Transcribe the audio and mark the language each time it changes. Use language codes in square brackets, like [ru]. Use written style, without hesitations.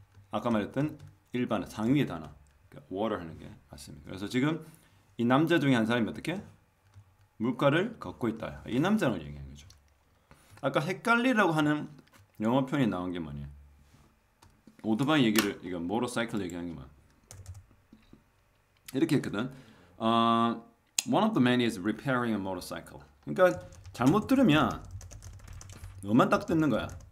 [ko] 아까 말했던 일반 상위의 단어. 그러니까 water 하는 게 맞습니다. 그래서 지금 이 남자 중에 한 사람이 어떻게? 물가를 걷고 있다. 이 남자를 얘기하는 거죠. 아까 헷갈리라고 하는 영어 표현이 나온 게 뭐냐? 오토바이 얘기를, 이거 모터사이클 얘기하는 게 뭐야? 이렇게 했거든. [en] One of the men is repairing a motorcycle. [ko] 그러니까 잘못 들으면 너만 딱 듣는 거야.